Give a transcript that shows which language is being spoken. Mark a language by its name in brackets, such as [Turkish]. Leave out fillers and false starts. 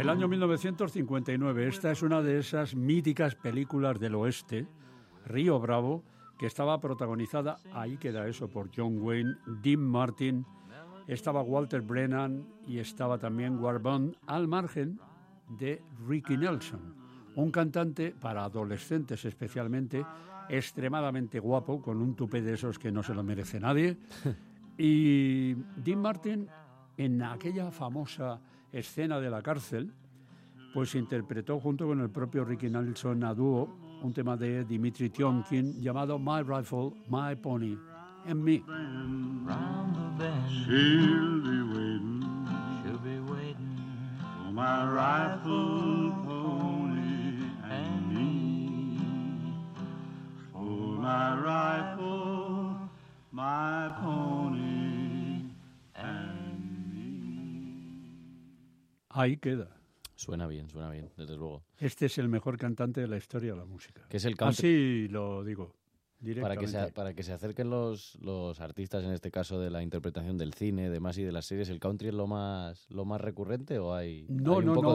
[Spanish] El año 1959, esta es una de esas míticas películas del oeste, Río Bravo, que estaba protagonizada, ahí queda eso, por John Wayne, Dean Martin, estaba Walter Brennan y estaba también Ward Bond, al margen de Ricky Nelson, un cantante para adolescentes especialmente, extremadamente guapo, con un tupé de esos que no se lo merece nadie. Y Dean Martin, en aquella famosa escena de la cárcel, pues interpretó junto con el propio Ricky Nelson a dúo un tema de Dimitri Tionkin llamado My Rifle, My Pony and Me. [English] Round the bend, she'll be waiting, she'll be waiting for my rifle, pony and me. For my rifle, my pony and me. [Spanish] Ahí queda. Suena bien, desde luego. Este es el mejor cantante de la historia de la música. Que es el country. Así lo digo, directamente. Para que se acerquen los artistas, en este caso, de la interpretación del cine, demás y de las series, ¿el country es lo más recurrente o hay, no, hay un no, poco no,